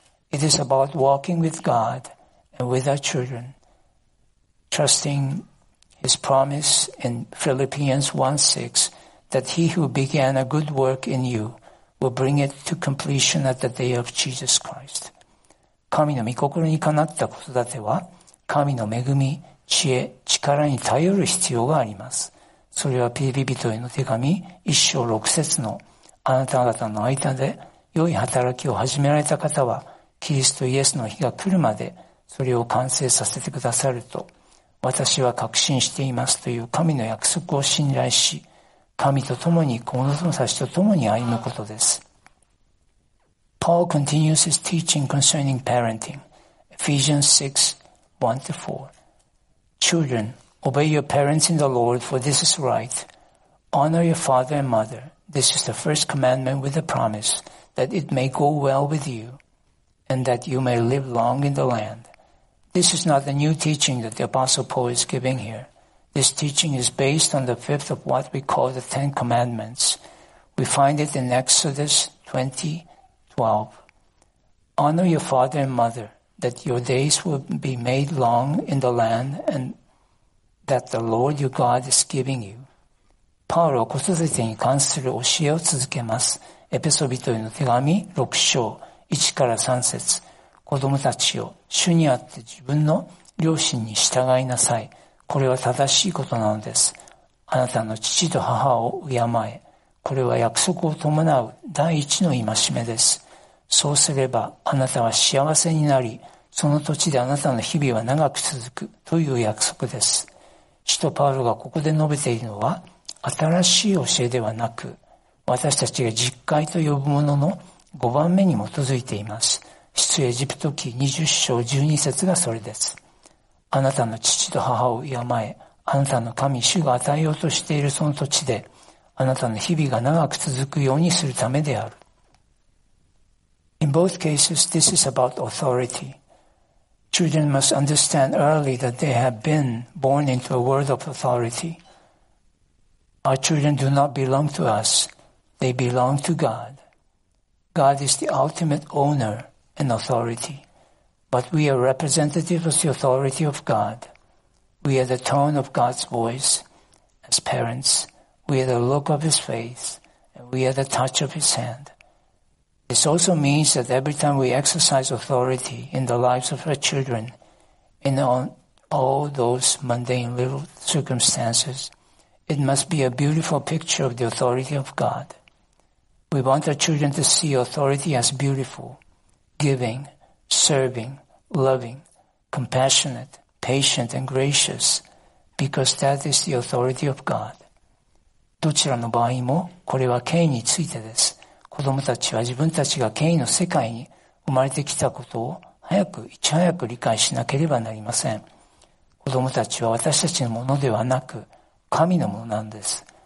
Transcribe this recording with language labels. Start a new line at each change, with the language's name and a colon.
English: It is about walking with God and with our children, trusting His promise in Philippians 1:6 that He who began a good work in you will bring it to completion at the day of Jesus Christ.
Japanese: 神の御心にかなった子育ては、神の恵み、知恵、力に頼る必要があります。それはピリピ人への手紙1章6節の、あなた方の間で良い働きを始められた方はキリストイエスの日が来るまでそれを完成させてくださると、私は確信していますという神の約束を信頼し、神と共に、子供たちと共に歩むことです。
English: Paul continues his teaching concerning parenting, Ephesians 6:1 to 4. Children, obey your parents in the Lord, for this is right. Honor your father and mother. This is the first commandment with a promise, that it may go well with you, and that you may live long in the land. This is not a new teaching that the Apostle Paul is giving here. This teaching is based on the fifth of what we call the Ten Commandments. We find it in Exodus 20:12. Honor your father and mother, that your days will be made long in the land and that the Lord your God is giving you.
Japanese: パウロは子育てに関する教えを続けます。エペソ人への手紙6章1から3節。子供たちよ、主にあって自分の両親に従いなさい。これは正しいことなのです。あなたの父と母を敬え。これは約束を伴う第一の戒めです。そうすればあなたは幸せになり、その土地であなたの日々は長く続くという約束です。使徒パウロがここで述べているのは、新しい教えではなく、私たちが実戒と呼ぶものの5番目に基づいています。出エジプト記20章12節がそれです。あなたの父と母を敬え、あなたの神主が与えようとしているその土地で、あなたの日々が長く続くようにするためである。
English: In both cases, this is about authority. Children must understand early that they have been born into a world of authority. Our children do not belong to us. They belong to God. God is the ultimate owner and authority. But we are representatives of the authority of God. We are the tone of God's voice as parents. We are the look of His face, and we are the touch of His hand. This also means that every time we exercise authority in the lives of our children, in all those mundane little circumstances, it must be a beautiful picture of the authority of God. We want our children to see authority as beautiful, giving, serving, loving, compassionate, patient, and gracious, because that is the authority of God.
Japanese: どちらの場合も、これは権威についてです。子供たちは自分たちが権威の世界に生まれてきたことを早く、いち早く理解しなければなりません。子供たちは私たちのものではなく、神のものなんです。